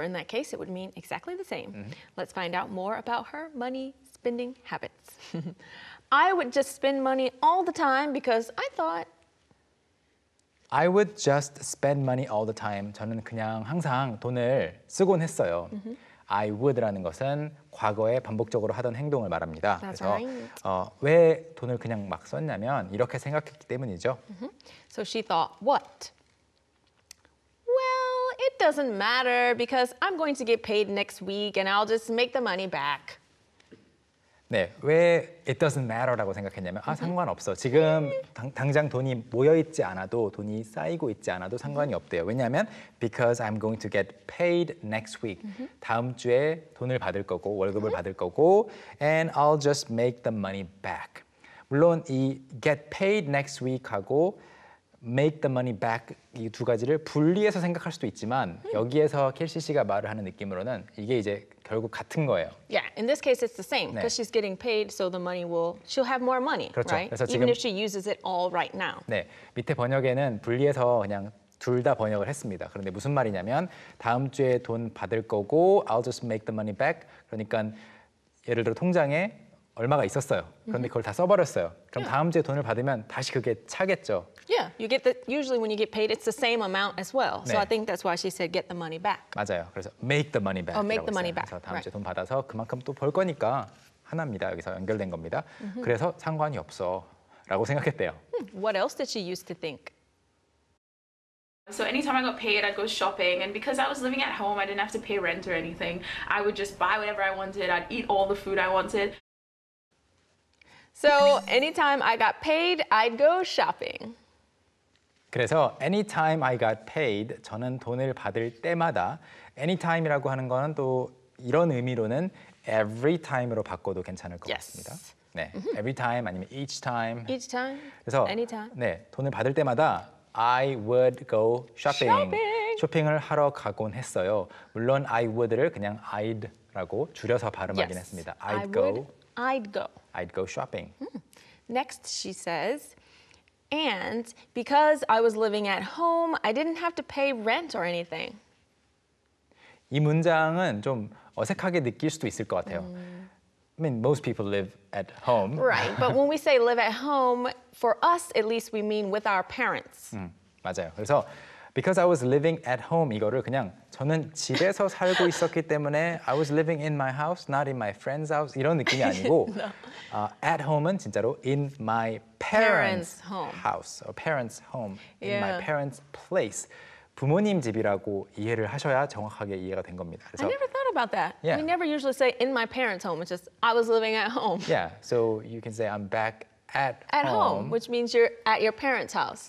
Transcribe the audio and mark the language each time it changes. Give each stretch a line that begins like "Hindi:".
English: In that case, it would mean exactly the same. Mm-hmm. Let's find out more about her money spending habits. I would just spend money all the time because I thought I would just spend money all the time.
Korean: 저는 그냥 항상 돈을 쓰곤 했어요. Mm-hmm. I would라는 것은 과거에 반복적으로 하던 행동을 말합니다.
English: That's
Korean: 그래서
English: right.
Korean: 왜 돈을 그냥 막 썼냐면 이렇게 생각했기 때문이죠.
English: Mm-hmm. So she thought, what? Well, it doesn't matter because I'm going to get paid next week and I'll just make the money back.
Korean: 네, 왜
English: it doesn't matter
Korean: 라고 생각했냐면 mm-hmm. 아, 상관없어. 지금 당장 돈이 모여있지 않아도 돈이 쌓이고 있지 않아도 상관이 mm-hmm. 없대요. 왜냐하면
English: because I'm going to get paid next week.
Korean: Mm-hmm. 다음 주에 돈을 받을 거고 월급을 mm-hmm. 받을 거고
English: and I'll just make the money back.
Korean: 물론 이
English: get paid next week
Korean: 하고
English: make the money back
Korean: 이 두 가지를 분리해서 생각할 수도 있지만 여기에서 켈시 씨가 말을 하는 느낌으로는 이게 이제 결국 같은 거예요.
English: Yeah, in this case it's the same because
Korean: 네.
English: she's getting paid so the money will she'll have more money,
Korean: 그렇죠.
English: right? Even
Korean: 지금,
English: if she uses it all right now.
Korean: 네. 밑에 번역에는 분리해서 그냥 둘 다 번역을 했습니다. 그런데 무슨 말이냐면 다음 주에 돈 받을 거고
English: I'll just make the money back.
Korean: 그러니까 예를 들어 통장에 얼마가 있었어요. 그런데 그걸 다 써버렸어요. 그럼
English: yeah.
Korean: 다음 주에 돈을 받으면 다시 그게 차겠죠.
English: Yeah, you get the usually when you get paid, it's the same amount as well.
Korean: 네.
English: So I think that's why she said get the money back.
Korean: 맞아요. 그래서
English: make the money back. Oh, make the money back.
Korean: 그래서 다음 주에 돈 받아서 그만큼 또 벌 거니까 하나입니다. 여기서 연결된 겁니다. Mm-hmm. 그래서 상관이 없어라고 생각했대요.
English: What else did she used to think? So anytime I got paid, I'd go shopping, and because I was living at home, I didn't have to pay rent or anything. I would just buy whatever I wanted. I'd eat all the food I wanted. So anytime I got paid, I'd go shopping.
Korean: 그래서
English: anytime I got paid,
Korean: 저는 돈을 받을 때마다 anytime이라고 하는 거는 또 이런 의미로는 every time으로 바꿔도 괜찮을 것
English: yes.
Korean: 같습니다. 네, mm-hmm. every time 아니면 each time.
English: Each time.
Korean: 그래서
English: anytime.
Korean: 네, 돈을 받을 때마다
English: I would go shopping. Shopping.
Korean: 쇼핑을 하러 가곤 했어요. 물론 I would를 그냥 I'd라고 줄여서 발음하긴
English: yes.
Korean: 했습니다.
English: I'd go. I'd go. I'd go shopping. Hmm. Next, she says, and because I was living at home, I didn't have to pay rent or anything.
Korean: 이 문장은 좀 어색하게 느낄 수도 있을 것 같아요.
English: I mean, most people live at home. Right, but when we say live at home, for us, at least, we mean with our parents.
Korean: 맞아요. 그래서
English: because I was living at home,
Korean: 이거를 그냥 저는 집에서 살고 있었기 때문에
English: I was living in my house, not in my friend's house,
Korean: 이런 느낌이 아니고
English: no. At home은
Korean: 진짜로
English: in my parents', parents house, home. Or parents' home, yeah. in my parents' place.
Korean: 부모님 집이라고 이해를 하셔야 정확하게 이해가 된 겁니다. 그래서,
English: I never thought about that. Yeah. We never usually say in my parents' home, it's just I was living at home. Yeah, so you can say I'm back at home. At home, which means you're at your parents' house.